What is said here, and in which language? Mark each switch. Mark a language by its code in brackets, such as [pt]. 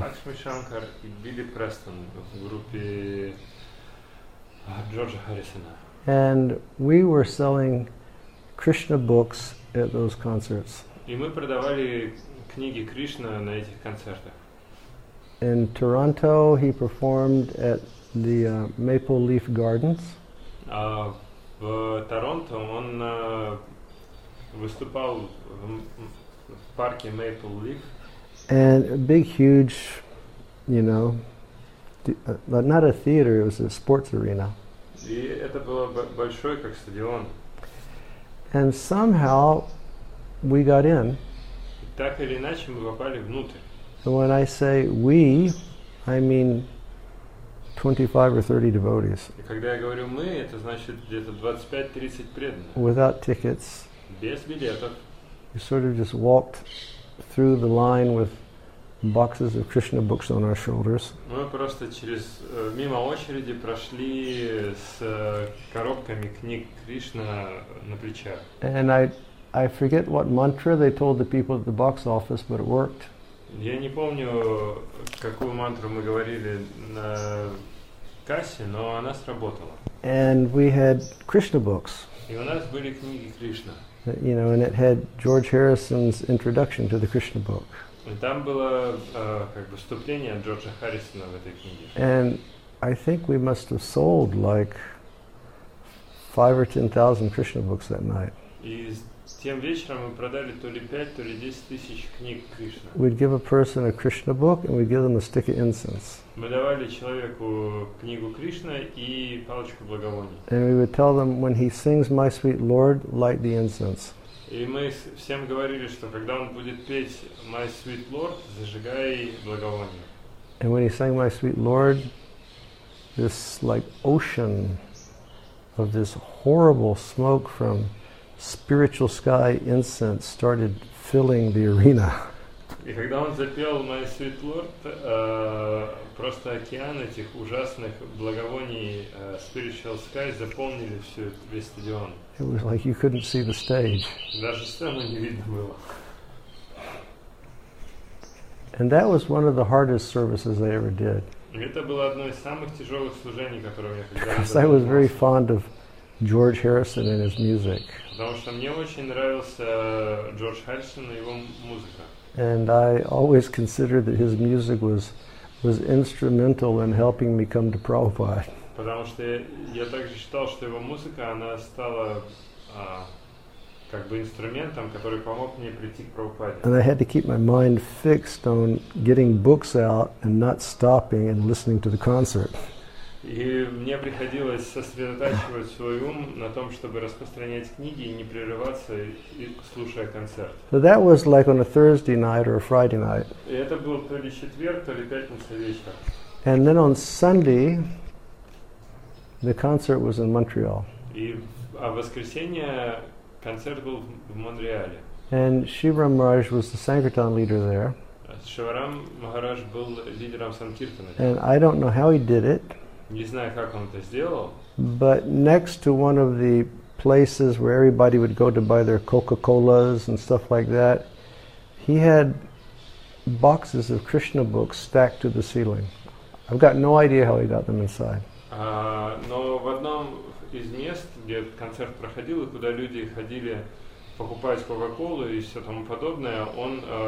[ru] Лакшми Шанкар и Билли Престон в группе Джорджа Харрисона. [en] And we were selling Krishna books at those concerts. [ru] И мы продавали книги Кришна на этих концертах. [en] In Toronto, he performed at the Maple Leaf Gardens. [ru] В Торонто он выступал в парке Maple Leaf. [en] And a big, huge, you know, not a theater, it was a sports arena. [ru] И это было большой, как стадион. [en] And somehow we got in. [ru] Так или иначе, мы попали внутрь. [en] And when I say we, I mean 25 or 30 devotees. [ru] И когда я говорю мы, это значит где-то 25-30 преданных. [en] Without tickets. [ru] Без билетов. [en] We sort of just walked through the line with boxes of Krishna books on our shoulders. [ru] Мы просто через мимо очереди прошли с коробками книг Кришна на плечах. [en] And I forget what mantra they told the people at the box office, but it worked. [ru] Я не помню, какую мантру мы говорили на кассе, но она сработала. [en] And we had Krishna books. [ru] И у нас были книги Кришна. [en] You know, and it had George Harrison's introduction to the Krishna book. [ru] И там было как бы вступление Джорджа Харрисона в этой книге. [en] And I think we must have sold like 5 or 10,000 Krishna books that night. [ru] И тем вечером мы продали то ли 5, то ли 10,000 книг Кришна. [en] We'd give a person a Krishna book and we'd give them a stick of incense. [ru] Мы давали человеку книгу Кришна и палочку благовоний. [en] And we would tell them, when he sings My Sweet Lord, light the incense. [ru] И мы всем говорили, что когда он будет петь My Sweet Lord, зажигай благовоние. [en] And when he sang My Sweet Lord, this like ocean of this horrible smoke from spiritual sky incense started filling the arena. [ru] И когда он запел My Sweet Lord, просто океан этих ужасных благовоний spiritual sky заполнили всю весь стадион. [en] It was like you couldn't see the stage. [ru] Даже сцену не видно было. [en] And that was one of the hardest services I ever did. [ru] Это было одно из самых тяжелых служений, которые я когда-либо. [en] Because I was very fond of George Harrison and his music. [ru] Потому что мне очень нравился Джордж Харрисон и его музыка. [en] And I always considered that his music was instrumental in helping me come to Prabhupada. [ru] Потому что я также считал, что его музыка, она стала как бы инструментом, который помог мне прийти к Прабхупаде. [en] And I had to keep my mind fixed on getting books out and not stopping and listening to the concert. [ru] И мне приходилось сосредотачивать свой ум на том, чтобы распространять книги и не прерываться, и слушая концерт. [en] So that was like on a Thursday night or a Friday night. [ru] И это был то ли четверг, то ли пятница вечер. [en] And then on Sunday, the concert was in Montreal. [ru] И а в воскресенье концерт был в Монреале. [en] And Shivaram Maharaj was the Sankirtan leader there. [ru] Shivaram Maharaj был лидером Санкиртана. [en] And I don't know how he did it. [ru] Не знаю, как он это сделал. [en] But next to one of the places where everybody would go to buy their Coca-Colas and stuff like that, he had boxes of Krishna books stacked to the ceiling. I've got no idea how he got them inside. [ru] Но в одном из мест, где концерт проходил, и куда люди ходили покупать Coca-Cola и все тому подобное, он